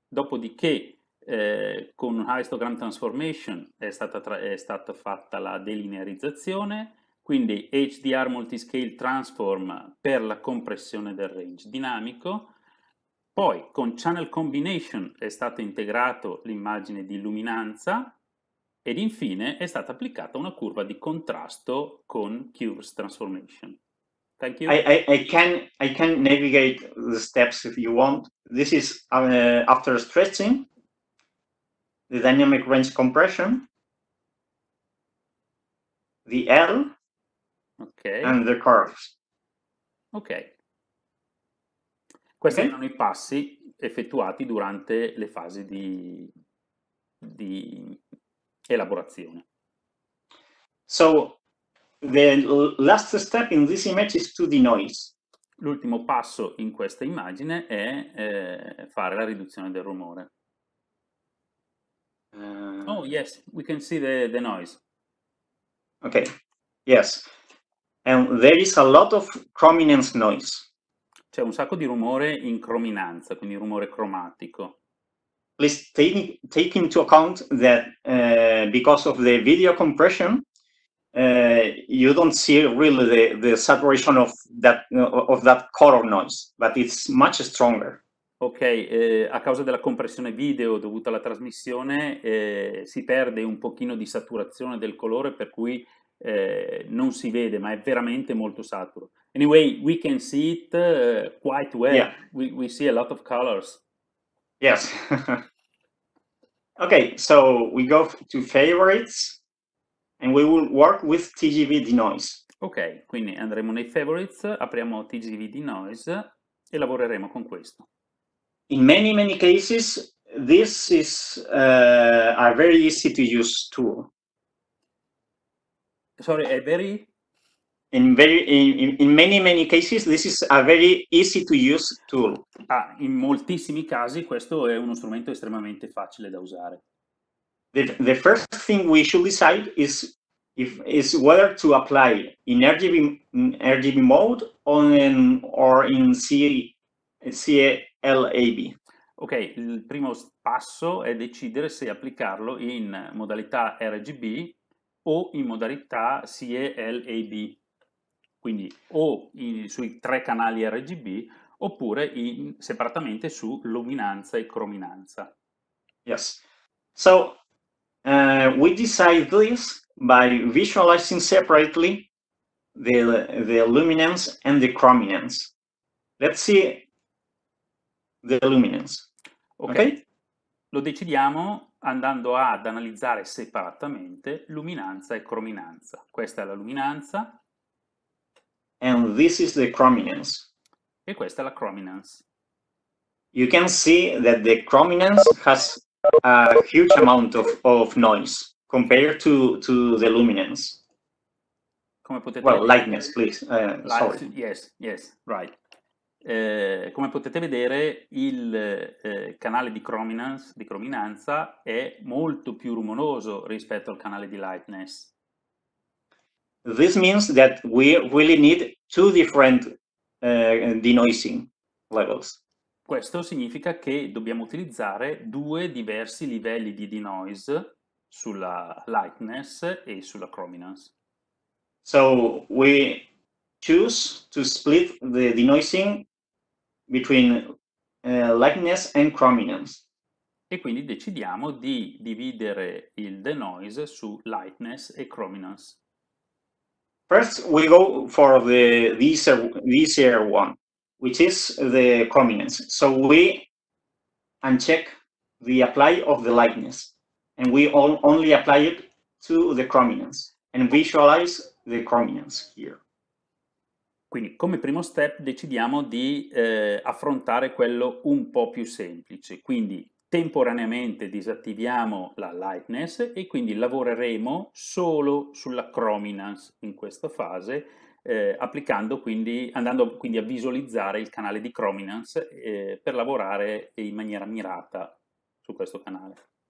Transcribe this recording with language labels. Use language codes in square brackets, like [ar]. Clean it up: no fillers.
[it] Dopodiché, con un histogram transformation è stata fatta la delinearizzazione, quindi HDR multiscale transform per la compressione del range dinamico. Poi con channel combination è stata integrata l'immagine di luminanza ed infine è stata applicata una curva di contrasto con Curves transformation. [en] Thank you. I can navigate the steps if you want. This is after stretching, the dynamic range compression, the L, okay, and the curves. Okay. [it] Questi erano i passi effettuati durante le fasi di elaborazione. [en] So the last step in this image is to denoise. [it] L'ultimo passo in questa immagine è fare la riduzione del rumore. [en] Oh yes, we can see the noise. Okay. Yes. And there is a lot of chrominance noise. [it] C'è un sacco di rumore in crominanza, quindi rumore cromatico. [en] Please take into account that because of the video compression, you don't see really the saturation of that color noise, but it's much stronger. [it] Ok, a causa della compressione video dovuta alla trasmissione, si perde un pochino di saturazione del colore, per cui non si vede, ma è veramente molto saturo. [en] Anyway, we can see it quite well. Yeah. We see a lot of colors. Yes. Okay, so we go to favorites and we will work with TGV denoise. [it] Ok, quindi andremo nei favorites, apriamo TGV denoise e lavoreremo con questo. [en] In many, many cases, this is a very easy to use tool. Sorry, a very. In many, many cases, this is a very easy to use tool. [it] Ah, in moltissimi casi questo è uno strumento estremamente facile da usare. [en] The first thing we should decide is if is whether to apply in RGB mode or in CLAB. [it] Ok, il primo passo è decidere se applicarlo in modalità RGB o in modalità CLAB. Quindi o sui tre canali RGB oppure separatamente su luminanza e crominanza. Yes. [en] So we decide this by visualizing separately the luminance and the chrominance. Let's see the luminance. [it] Ok, lo decidiamo andando ad analizzare separatamente luminanza e crominanza. Questa è la luminanza. [en] And this is the chrominance. [it] E questa è la crominance. [en] You can see that the chrominance has a huge amount of noise compared to the luminance. [it] Come potete [en] Well, lightness, please. Sorry. Yes, right. [it] Come potete vedere, il canale di crominanza è molto più rumoroso rispetto al canale di lightness. [en] This means that we really need two different denoising levels. [it] Questo significa che dobbiamo utilizzare due diversi livelli di denoise sulla lightness e sulla crominance. [en] So we choose to split the denoising between lightness and crominance. [it] E quindi decidiamo di dividere il denoise su lightness e crominance. [en] First, we go for the easier one, which is the crominance. So we uncheck the apply of the lightness, and we only apply it to the crominance and visualize the crominance here. [it] Quindi, come primo step, decidiamo di affrontare quello un po' più semplice. Quindi, temporaneamente disattiviamo la lightness e quindi lavoreremo solo sulla crominance in questa fase, andando quindi a visualizzare il canale di crominance per lavorare in maniera mirata su questo canale.